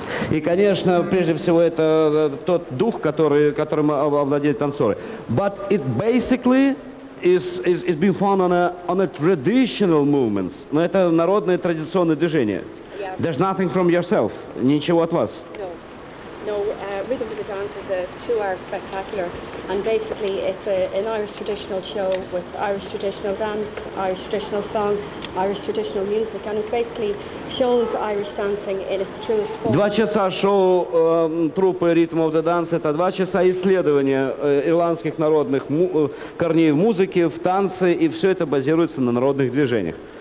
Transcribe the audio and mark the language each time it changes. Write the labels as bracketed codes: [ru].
[ru] И, конечно, прежде всего, это тот дух, которым овладеют танцоры. [en] But it basically is being found on a traditional movements. [ru] Но это народное традиционное движение. [en] Yeah. There's nothing from yourself. [ru] Ничего от вас. [en] No. Rhythm of the Dance is a two-hour spectacular, and basically it's an Irish traditional show with Irish traditional dance, Irish traditional song, Irish traditional music, and it basically shows Irish dancing in its truest form. [ru] 2 часа шоу труппы Rhythm of the Dance — это 2 часа исследования ирландских народных корней в музыке, в танце, и все это базируется на народных движениях.